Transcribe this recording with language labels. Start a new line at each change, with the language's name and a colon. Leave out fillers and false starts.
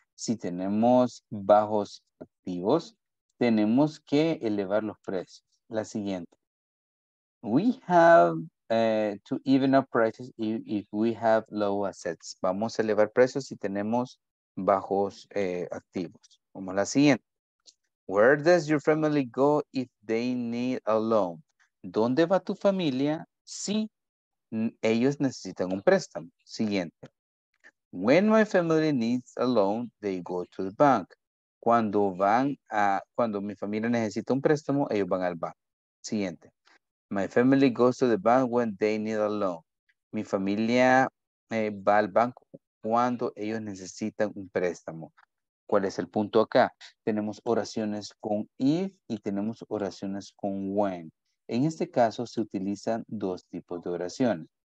Spanish: Si tenemos bajos activos, tenemos que elevar los precios. La siguiente,
English: We have to even up prices if we have low assets.
Spanish: Vamos a elevar precios si tenemos bajos activos. Como la siguiente.
English: Where does your family go if they need a loan?
Spanish: ¿Dónde va tu familia si ellos necesitan un préstamo? Siguiente.
English: When my family needs a loan, they go to the bank.
Spanish: Cuando mi familia necesita un préstamo, ellos van al banco. Siguiente.
English: My family goes to the bank when they need a loan.
Spanish: Mi familia va al banco cuando ellos necesitan un préstamo. ¿Cuál es el punto acá? Tenemos oraciones con if y tenemos oraciones con when. En este caso se utilizan dos tipos de oraciones.